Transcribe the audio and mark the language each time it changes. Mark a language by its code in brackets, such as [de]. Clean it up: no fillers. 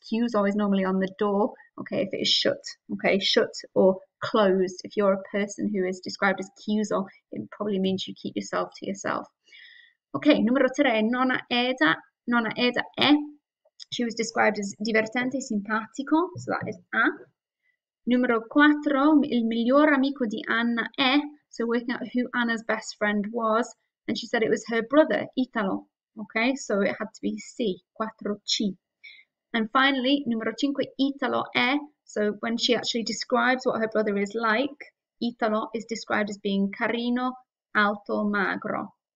[en] Chiuso is normally on the door, okay, if it is shut, okay, shut or closed. If you're a person who is described as chiuso, it probably means you keep yourself to yourself. Okay, [it] numero tre, nonna Eda. Nonna Eda è. [en] She was described as divertente, simpatico, so that is a. [it] Numero quattro, il miglior amico di Anna è. [en] So working out who Anna's best friend was, and she said it was her brother, Italo. Okay, so it had to be C, 4C. And finally, [it] numero cinque, Italo è. [en] So when she actually describes what her brother is like, Italo is described as being carino, alto, magro.